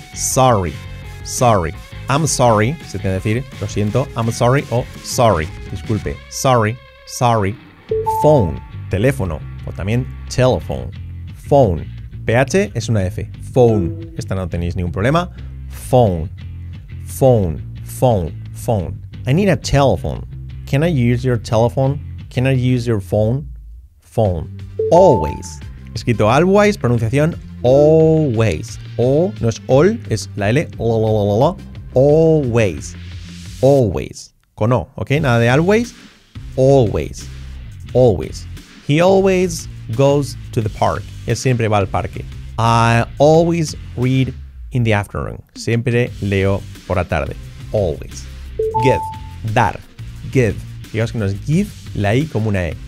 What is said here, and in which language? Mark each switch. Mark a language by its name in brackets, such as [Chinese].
[English] Sorry. Sorry. I'm sorry. [Spanish] Se tiene que decir. Lo siento. [English] I'm sorry o sorry. Disculpe. Sorry. Sorry. Phone. Teléfono. [Spanish] O también telephone. Phone. PH es una F. Phone. Esta no tenéis ningún problema. [English] Phone. Phone. Phone. Phone. I need a telephone. Can I use your telephone? Can I use your phone? Phone. Always. [Spanish] Escrito always, pronunciación always. O no es all, es la L. Lalalala. Always. Always. Con O, ¿ok? Nada de always. Always. Always. [English] He always goes to the park. [Spanish] Él siempre va al parque. [English] I always read in the afternoon. [Spanish] Siempre leo por la tarde. [English] Always. Give. Dar. Give. [Spanish] Fijaos que no es give, la I como una E.